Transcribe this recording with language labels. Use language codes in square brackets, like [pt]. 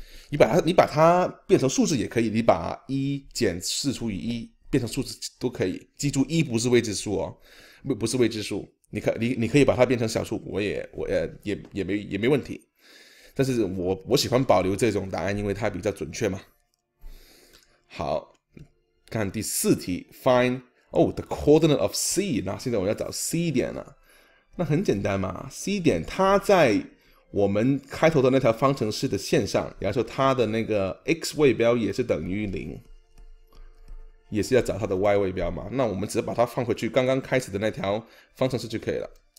[zh] 你把它变成数字也可以，你把一减四除以一变成数字都可以。记住，一不是未知数哦，不是未知数。你可以把它变成小数，我也没问题。但是我喜欢保留这种答案，因为它比较准确嘛。 [en] 好，看第四题，find the coordinate of C。 [zh] 那现在我要找 C 点了，那很简单嘛 ，C 点它在我们开头的那条方程式的线上，然后它的那个 x 位标也是等于零，也是要找它的 y 位标嘛。那我们只把它放回去刚刚开始的那条方程式就可以了。